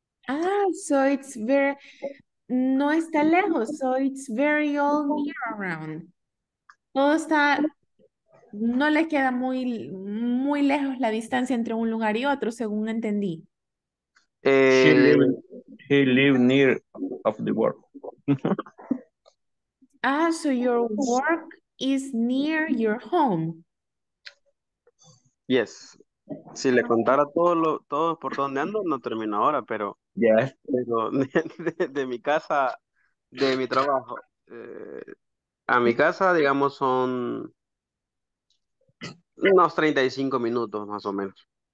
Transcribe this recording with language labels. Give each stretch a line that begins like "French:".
English: Ah, so it's very,
Spanish: no está lejos,
English: so it's very all near around.
Spanish: Todo está, no le queda muy, muy lejos la distancia entre un lugar y otro, según entendí.
English: He live near of the work. Ah, so your work is near your home. Yes.
Spanish: Si le contara todo por donde ando, no termino ahora, pero...
English: Yes.
Spanish: Pero de mi casa, de mi trabajo. A mi casa, digamos, son unos 35 minutos, más o menos.